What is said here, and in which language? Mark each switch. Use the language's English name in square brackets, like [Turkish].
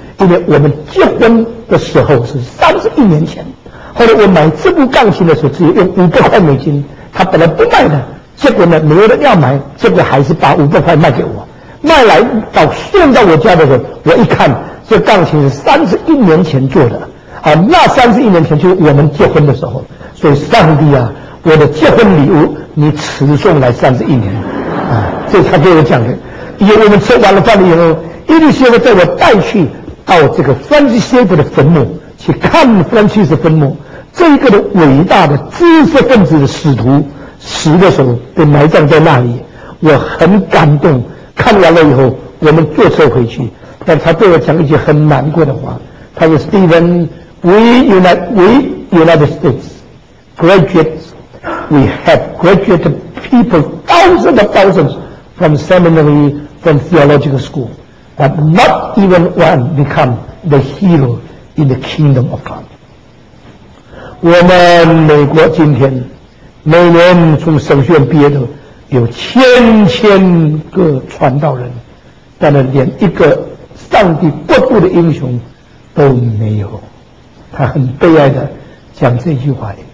[Chinese] 因为我们结婚的时候是31年前，后来我买这部钢琴的时候只有用$500，他本来不卖的，结果呢没有人要买，结果还是把$500卖给我，卖来到送到我家的时候，我一看这钢琴是31年前做的啊，那31年前就是我们结婚的时候，所以上帝啊，我的结婚礼物你迟送来31年啊。这是他给我讲的。因为我们吃完了饭以后，伊丽莎白带我带去到这个弗兰西斯的坟墓去看弗兰西斯坟墓，这个的伟大的知识分子的使徒死的时候被埋葬在那里，我很感动。看完了以后我们坐车回去，但他对我讲一句很难过的话，他说 [English] Stephen we United States graduates we have graduated people thousands of thousands from seminary from theological school but not even one become the hero in the kingdom of God。 [Chinese] 我们美国今天每年从神学院毕业的有千千个传道人，但是连一个上帝国度的英雄都没有。他很悲哀的讲这句话。